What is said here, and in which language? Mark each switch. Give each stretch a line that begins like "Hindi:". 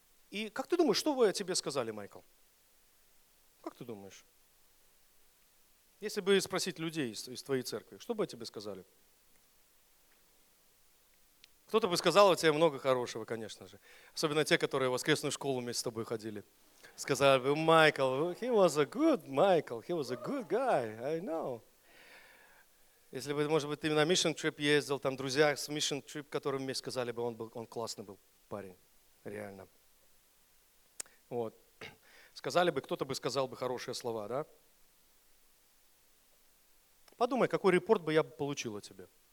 Russian: И как ты думаешь, что бы о тебе сказали, Майкл? Как ты думаешь? Если бы спросить людей из твоей церкви, что бы о тебе сказали? Кто-то бы сказал о тебе много хорошего, конечно же. Особенно те, которые в воскресную школу вместе с тобой ходили. Сказали бы:
English: Майкл, he was a good Michael, he was a good guy, I know.
Russian: Если бы, может быть, ты на mission trip ездил, там друзья с mission trip, которым вместе сказали бы, он классный был парень, реально. Вот. Сказали бы, кто-то бы сказал бы хорошие слова, да? Подумай, какой репорт бы я получил о тебе.